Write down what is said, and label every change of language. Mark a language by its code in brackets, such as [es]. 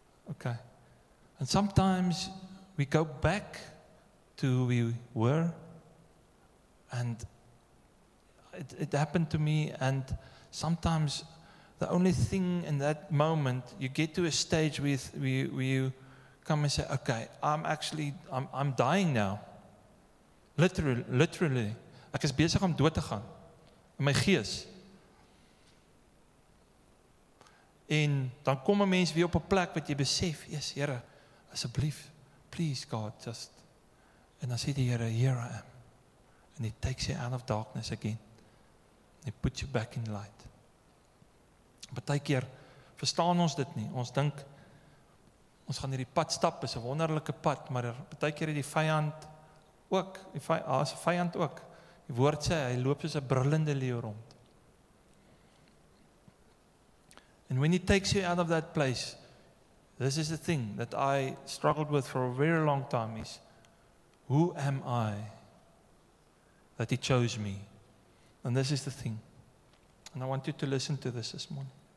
[en] Okay. And sometimes we go back to who we were, and it happened to me, and sometimes the only thing in that moment, you get to a stage where you come and say, okay, I'm dying now. Literally. [af] Ek is besig om dood te gaan. In my gees. En dan kom 'n mens weer op 'n plek wat jy besef, yes, Here, asseblief, [en] please God, just. [af] En dan sê die Here, [en] here I am. And He takes you out of darkness again. And He puts you back in light. [af] Partykeer verstaan ons dit nie. Ons dink ons gaan hierdie pad stap, is 'n wonderlike pad, maar partykeer het die vyand ook. Die woord sê hy loop soos 'n brullende leeu rond. [en] And when He takes you out of that place, This is the thing that I struggled with for a very long time is, who am I that he chose me? And this is the thing. And I want you to listen to this morning.